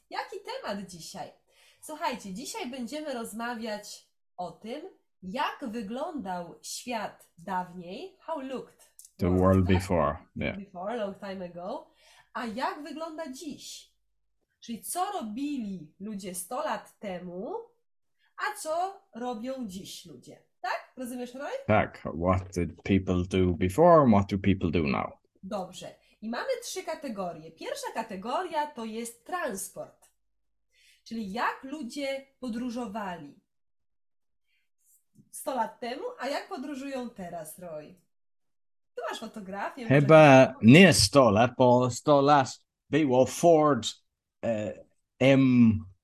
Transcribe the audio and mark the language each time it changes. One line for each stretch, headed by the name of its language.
Polish: Jaki temat dzisiaj? Słuchajcie, dzisiaj będziemy rozmawiać o tym, jak wyglądał świat dawniej.
English: How looked? The world before. Yeah. Before, long time ago.
Polish: A jak wygląda dziś? Czyli co robili ludzie 100 lat temu? A co robią dziś ludzie? Tak? Rozumiesz, Roy? Tak.
English: What did people do before and what do people do now?
Polish: Dobrze. I mamy trzy kategorie. Pierwsza kategoria to jest transport. Czyli jak ludzie podróżowali 100 lat temu, a jak podróżują teraz, Roy? Tu masz fotografię. Chyba czekaj. Nie 100 lat, bo 100 lat było Ford M...